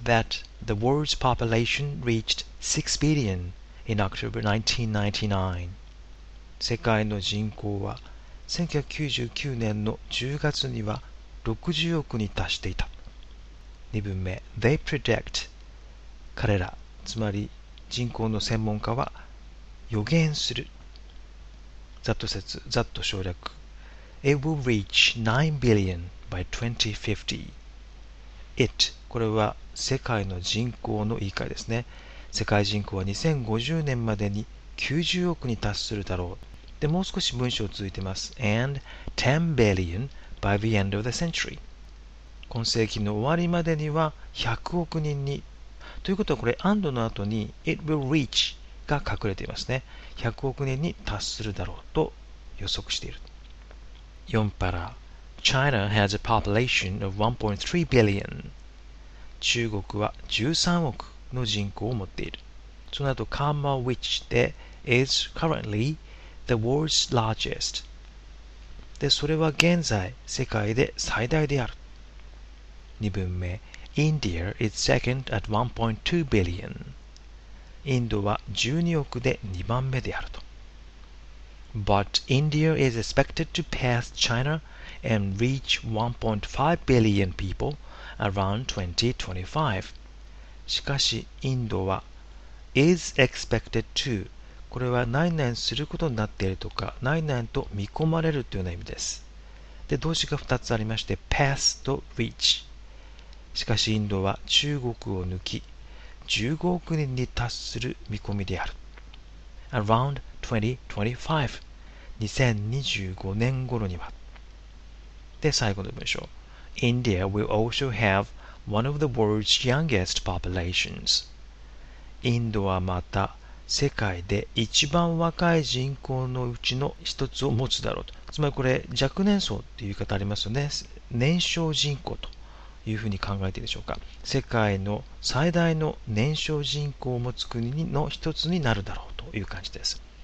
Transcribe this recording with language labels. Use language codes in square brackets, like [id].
[en] That the world's population reached 6 billion in October 1999. [ja] 世界の人口は1999年の10月には60億に達していた。 2文目。 [en] They predict. [ja] 彼ら。つまり人口の専門家は予言する。ざっと説、ざっと省略。 [en] It will reach 9 billion by 2050. [ja] It、 これは世界の人口の言い換えですね。世界人口は2050年までに90億に達するだろう。でもう少し文章続いてます。 [en] And 10 billion by the end of the century. [ja] 今世紀の終わりまでには100億人に、ということはこれ and の後に [en] it will reach [ja] が隠れていますね。 100億人に達するだろうと予測している。 4パラ。 [en] China has a population of 1.3 billion. [ja] 中国は13億の人口を持っている。その後 [en] comma which で is currently the world's largest. [ja] でそれは現在世界で最大である。 2文目。 [en] India is second at 1.2 billion. [ja] インドは12億で2番目であると。 [en] But India is expected to pass China and reach 1.5 billion people around 2025. [ja] しかし、インドは [en] is expected to、 [ja] これは何々することになっているとか、何々と見込まれるという意味です。で、動詞が2つありまして、pass と reach。しかしインドは中国を抜き15億人に達する見込みである。 [en] Around 2025 [ja] 年頃には。で最後の文章。 [en] India will also have one of the world's youngest populations. [ja] インドはまた世界で一番若い人口のうちの一つを持つだろうと。つまりこれ若年層っていう言い方ありますよね。年少人口というふうに考えているでしょうか。世界の最大の年少人口を持つ国の一つになるだろうという感じです。